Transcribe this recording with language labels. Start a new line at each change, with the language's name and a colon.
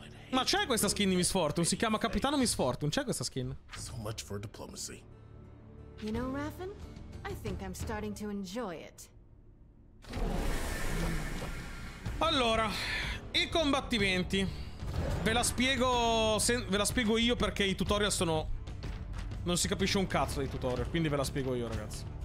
Italian: Ma c'è questa skin di Miss Fortune? Si chiama Capitano Miss Fortune, c'è questa skin?
English: You know, Raffin? I think I'm starting to enjoy it.
Italian: Allora, i combattimenti. Ve la spiego io perché i tutorial sono... Non si capisce un cazzo dei tutorial, quindi ve la spiego io, ragazzi.